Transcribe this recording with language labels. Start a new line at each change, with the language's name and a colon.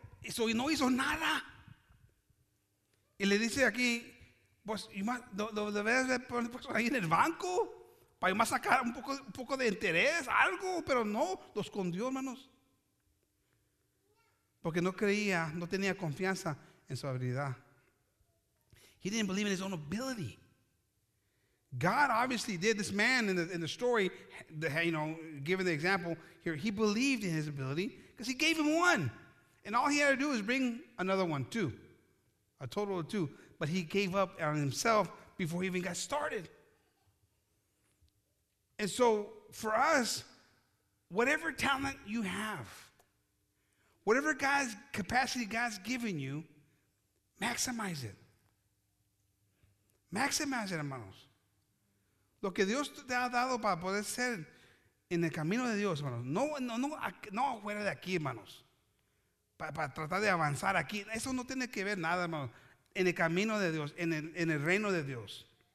Spanish: Eso y no hizo nada. Y le dice aquí, pues, lo debes poner ahí en el banco para más sacar un poco de interés, algo, pero no, lo escondió, hermanos. Porque no creía, no tenía confianza en su habilidad.
English: He didn't believe in his own ability. God obviously did. This man in the story, given the example here, he believed in his ability because he gave him 1. And all he had to do was bring another 1, 2. A total of 2. But he gave up on himself before he even got started. And so for us, whatever talent you have, whatever God's capacity God's given you, maximize it. Maximize it, hermanos.
Spanish: Lo que Dios te ha dado para poder ser en el camino de Dios, hermanos. No afuera de aquí, hermanos. Para tratar de avanzar aquí. Eso no tiene que ver nada, hermanos. En el camino de Dios, en el reino de Dios.